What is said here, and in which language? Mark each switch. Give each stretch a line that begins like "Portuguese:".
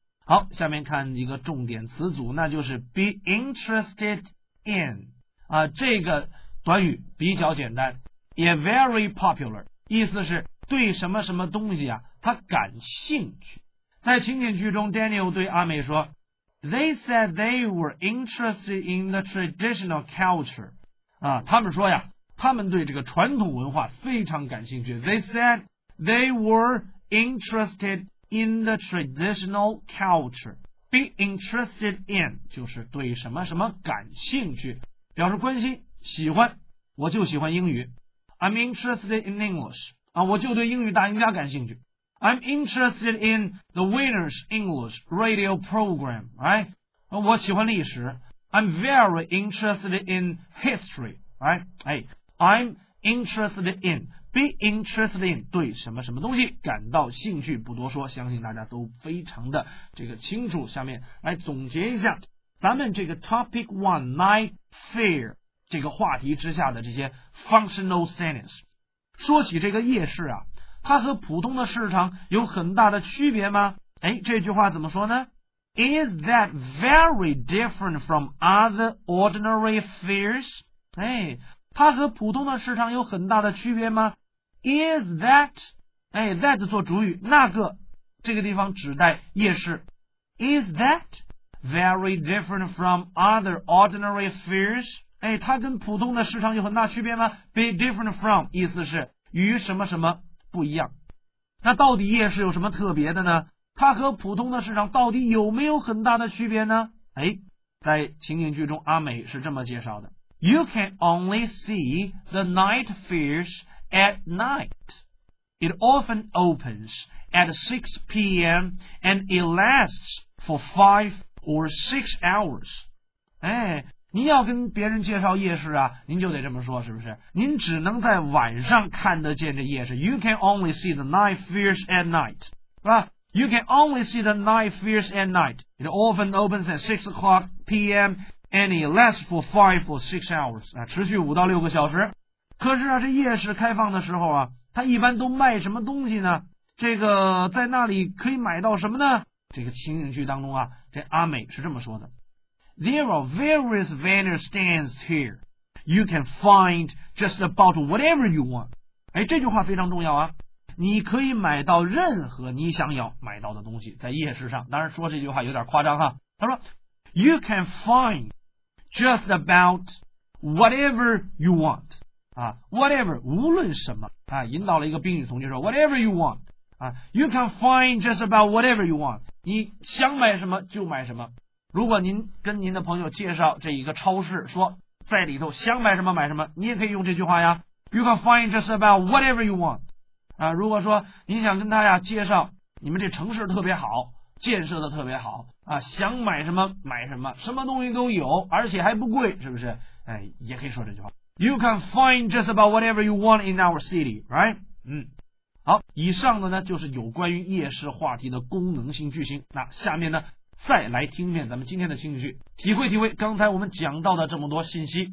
Chinese: 好，下面看一个重点词组，那就是
English: be interested in
Chinese: 啊，这个短语比较简单，也
English: very popular，
Chinese: 意思是对什么什么东西啊，他感兴趣。在情景剧中 ，Daniel 对阿美说 ，
English: They said they were interested in the traditional culture
Chinese: 啊，他们说呀。他们对这个传统文化非常感兴趣。
English: They said they were interested in the traditional culture. Be interested in
Chinese: 就是对什么什么感兴趣，表示关心、喜欢。我就喜欢英语。
English: I'm interested in English.
Chinese: 啊，我就对英语大赢家感兴趣。
English: I'm interested in the winner's English radio program. Right?
Chinese: 我喜欢历史。
English: I'm very interested in history. Right? Hey. I'm interested in, be interested in,
Chinese: 对什么什么东西感到兴趣，不多说，相信大家都非常的这个清楚。下面来总结一下咱们这个
English: topic one, night fair,
Chinese: 这个话题之下的这些
English: functional sentence。
Chinese: 说起这个夜市啊，它和普通的市场有很大的区别吗？哎，这句话怎么说呢？
English: Is that very different from other ordinary fairs?
Chinese: 哎，它和普通的市场有很大的区别吗 ？
English: Is that？
Chinese: 哎 ，that 做主语，那个这个地方指代夜市。
English: Is that very different from other ordinary fairs？
Chinese: 哎，它跟普通的市场有很大区别吗 ？
English: Be different from
Chinese: 意思是与什么什么不一样。那到底夜市有什么特别的呢？它和普通的市场到底有没有很大的区别呢？哎，在情景剧中，阿美是这么介绍的。
English: You can only see the night fairs at night. It often opens at 6 p.m. and it lasts for 5 or 6 hours.
Chinese: 哎，您要跟别人介绍夜市啊，您就得这么说，是不是？您只能在晚上看得见这夜市。
English: You can only see the night fairs at night,
Chinese: 是吧？
English: You can only see the night fairs at night. It often opens at 6 p.m. And it lasts for 5 or 6 hours
Chinese: 啊，持续5到6个小时。可是啊，这夜市开放的时候啊，它一般都卖什么东西呢？这个在那里可以买到什么呢？这个情景剧当中啊，这阿美是这么说的
English: There are various vendor stands here. You can find just about whatever you want.
Chinese: 哎，这句话非常重要啊，你可以买到任何你想要买到的东西在夜市上。当然说这句话有点夸张哈，他说
English: You can find just about whatever you want.
Chinese: 啊 whatever, 无论什么啊，引导了一个宾语从句，说
English: whatever you want. You can find just about whatever you want.
Chinese: 你想买什么就买什么。如果您跟您的朋友介绍这一个超市，说在里头想买什么买什么，你也可以用这句话呀。
English: You can find just about whatever you want.
Chinese: 啊，如果说您想跟他呀介绍你们这城市特别好，建设的特别好啊，想买什么买什么，什么东西都有，而且还不贵，是不是？哎，也可以说这句话。
English: You can find just about whatever you want in our city, right?
Chinese: 好，以上的呢就是有关于夜市话题的功能性句型。那下面呢再来听一遍咱们今天的情景剧，体会体会刚才我们讲到的这么多信息。